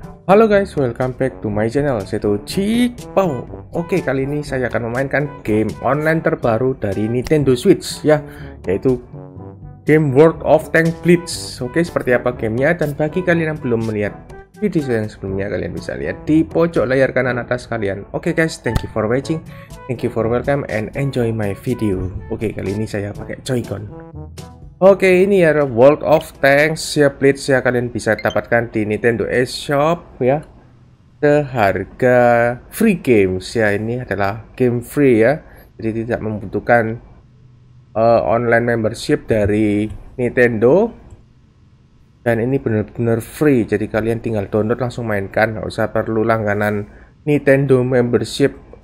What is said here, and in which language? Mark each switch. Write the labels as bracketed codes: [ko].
[en] Halo guys, welcome back to my channel. [id] Saya Cik Pau. Oke, kali ini saya akan memainkan game online terbaru dari Nintendo Switch ya, yaitu game World of Tank Blitz. Oke, seperti apa gamenya, dan bagi kalian yang belum melihat video saya yang sebelumnya, kalian bisa lihat di pojok layar kanan atas kalian. [en] Oke guys, thank you for watching, thank you for welcome, and enjoy my video. [id] Oke, kali ini saya pakai Joy-Con. Oke, ini ya World of Tanks ya Blitz ya, kalian bisa dapatkan di Nintendo eShop ya, seharga free games ya. Ini adalah game free ya, jadi tidak membutuhkan online membership dari Nintendo, dan ini benar-benar free, jadi kalian tinggal download langsung mainkan, nggak usah perlu langganan Nintendo membership.